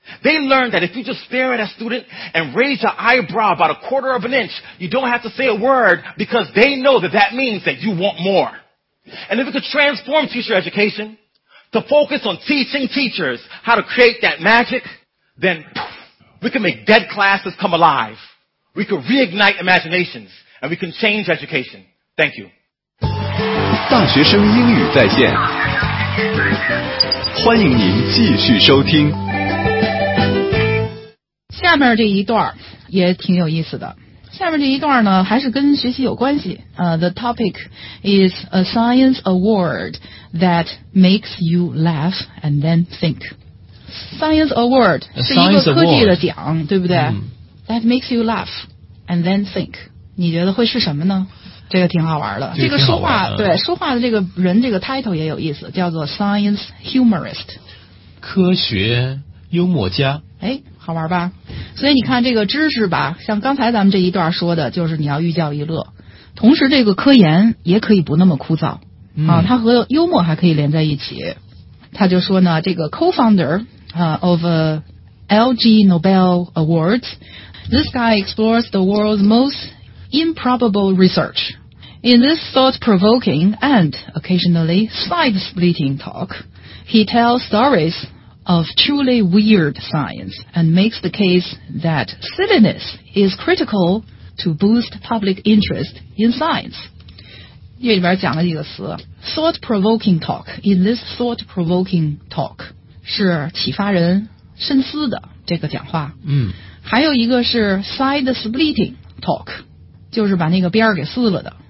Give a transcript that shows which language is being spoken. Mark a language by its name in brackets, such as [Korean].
[English] They learn that if you just stare at a student and raise your eyebrow about a quarter of an inch, you don't have to say a word because they know that that means that you want more. And if it could transform teacher education to focus on teaching teachers how to create that magic, then we can make dead classes come alive. We can reignite imaginations and we can change education. Thank you. [Chinese] 大学生英语在线，欢迎您继续收听。下面这一段也挺有意思的。下面这一段呢还是跟学习有关系。 [English] The topic is a science award that makes you laugh and then think. [Chinese] Science award 是一个科技的奖，对不对？ [English] That makes you laugh and then think. [Chinese] 你觉得会是什么呢？这个挺好玩的。这个说话，对，说话的这个人这个 title 也有意思，叫做 science humorist。科学幽默家。哎，好玩吧？所以你看这个知识吧，像刚才咱们这一段说的，就是你要寓教于乐，同时这个科研也可以不那么枯燥，它和幽默还可以连在一起。他就说呢，这个 [English] co-founder of LG Nobel Awards, this guy explores the world's most improbable research. In this thought-provoking and occasionally side-splitting talk, he tells stories. Of truly weird science and makes the case that silliness is critical to boost public interest in science. [Chinese] 这里边讲了几个词 ,thought-provoking talk, [English] in this thought-provoking talk, [Chinese] 是启发人深思的这个讲话。还有一个是 side-splitting talk, 就是把那个边儿给撕了的。